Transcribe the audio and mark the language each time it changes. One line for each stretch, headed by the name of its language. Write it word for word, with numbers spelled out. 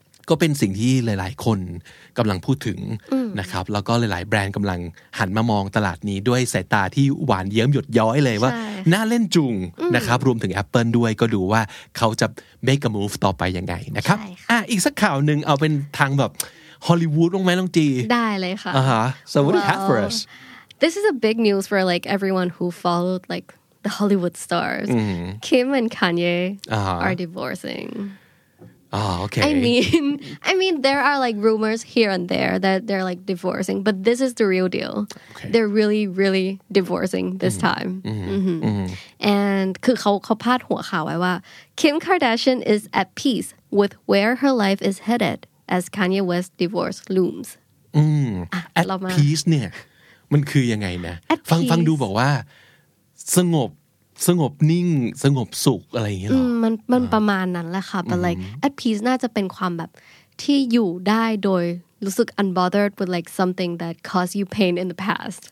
Thai: ก็เป็นสิ่งที่หลายๆคนกำลังพูดถึงนะครับแล้วก็หลายๆแบรนด์กำลังหันมามองตลาดนี้ด้วยสายตาที่หวานเยิ้มหยดย้อยเลยว่าน่าเล่นจุงนะครับรวมถึง Apple ด้วยก็ดูว่าเขาจะ
English: make a move
Thai: ต่อไปยังไงนะครับอ่ะอีกสักข่าวนึงเอาเป็นทางแบบฮอลลีวูดลงไหมน้องจี ได้เลยค่ะ uh-huh.
English: So what do you have for us? This is a big news for like everyone who followed like the Hollywood stars. Mm-hmm. Kim and Kanye uh-huh. are divorcing. Oh, okay. I mean, I mean, there are like rumors here and there that they're like divorcing, but this is the real deal. Okay. They're really, really divorcing this mm-hmm. time. Mm-hmm. Mm-hmm. Mm-hmm. And
Thai: คือเขาเขาพาดหัวข่าวไว้ว่า
English: Kim Kardashian is at peace with where her life is headed as Kanye West divorce looms.
Thai: อืม at peace เนี่ยมันคือยังไงนะฟังฟังดูบอกว่าสงบสงบนิ่งสงบสุขอะไรอย่างเงี้ยหรอ มันมันประมาณนั้นแหละค่ะ
English: but like at peace
Thai: น่าจะเป็นความแบบที่อยู่ได้โดยรู้สึก
English: unbothered with like something that caused you pain in the past